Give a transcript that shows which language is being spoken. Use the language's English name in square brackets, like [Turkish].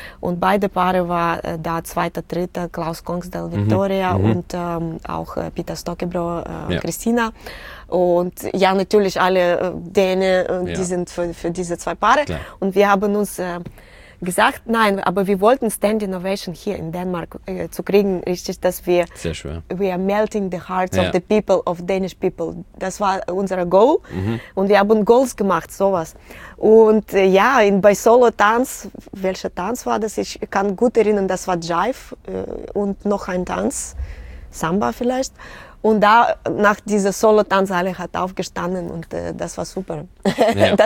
[German] Und beide Paare waren da zweiter, dritter, Klaus Kongsdal, Victoria und auch Peter Stokkebro, Christina. Und ja, natürlich alle Däne, die sind für diese zwei Paare. Klar. Und wir haben uns gesagt, nein, aber wir wollten Standing Ovation hier in Dänemark zu kriegen, richtig, dass wir, sehr schwer, [English] we are melting the hearts, [German] ja, [English] of the people, of Danish people. [German] Das war unser Goal, mhm, und wir haben Goals gemacht, sowas. Und ja, in, bei Solo-Tanz, welcher Tanz war das? Ich kann gut erinnern, das war Jive und noch ein Tanz, Samba vielleicht. Und da, nach dieser Solo-Tanz, alle hat aufgestanden und das war super. Ja.